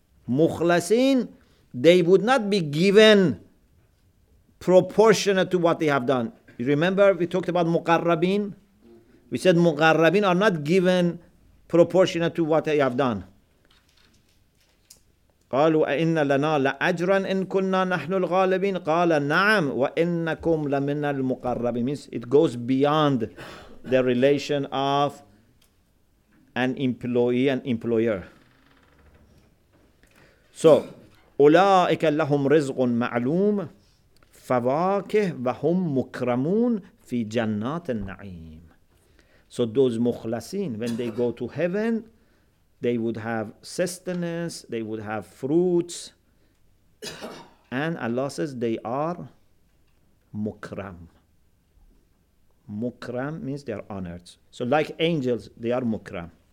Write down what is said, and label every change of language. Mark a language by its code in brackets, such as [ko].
[en] Mukhlasin, they would not be given proportionate to what they have done. You remember we talked about muqarrabin? We said muqarrabin are not given proportionate to what they have done. [ar] قالوا إن لنا لأجرا إن كنا نحن الغالبين قال نعم وإنكم لمن المقربين. [en] Means it goes beyond the relation of an employee and employer. [ar] So أولئك لهم رزق معلوم فواكه وهم مكرمون في جنات النعيم. [en] So those مخلصين, when they go to heaven, they would have sustenance, they would have fruits, and Allah says they are mukram. Mukram means they are honored. So like angels, they are mukram.